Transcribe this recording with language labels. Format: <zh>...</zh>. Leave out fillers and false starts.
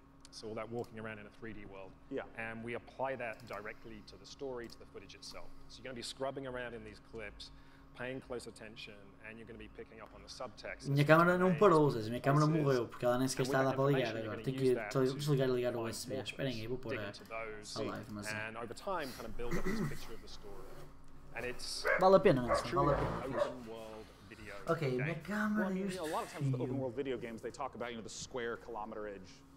<en>So all that walking around in a 3D world. Yeah. And we apply that directly to the story, to the footage itself. So you're going to be scrubbing around in these clips, paying close attention, and you're going to be picking up on the subtext.</en> <pt>Minha câmera não parou, a minha câmera morreu, porque ela nem sequer está a dar para ligar agora. Tem que desligar e ligar o USB. Esperem aí, vou pôr a live, mas...</pt> <en>And over time, kind of build up this picture of the story. And it's...</en> <pt>Vale a pena, mas vale a pena. Ok, minha câmera e os fios.</pt> <en>A lot of times with open world video games, they talk about, you know, the square kilometer edge.</en>